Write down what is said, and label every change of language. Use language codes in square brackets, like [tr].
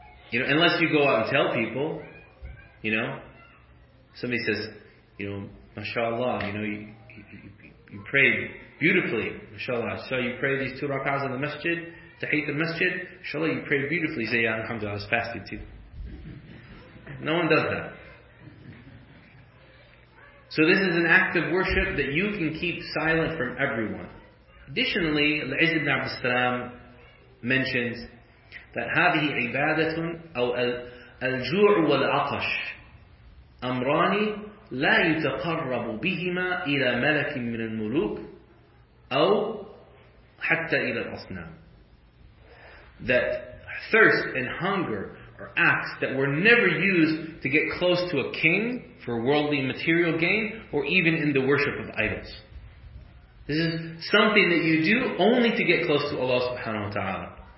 [en] You know, unless you go out and tell people, you know, somebody says, you know, mashallah, you know, you pray beautifully, mashallah. So you pray these two rak'ahs in the masjid, tahiyyat the masjid, mashallah, you pray beautifully. Say, yeah, alhamdulillah, I was fasting too. No one does that. So this is an act of worship that you can keep silent from everyone. Additionally, Al-Izz ibn Abd al-Salam mentions that [ar] هذه عبادة أو الجوع والعطش أمران لا يتقرب بهما إلى ملك من الملوك أو حتى إلى الأصنام. [en] That thirst and hunger are acts that were never used to get close to a king for worldly material gain, or even in the worship of idols. This is something that you do only to get close to Allah subhanahu wa ta'ala.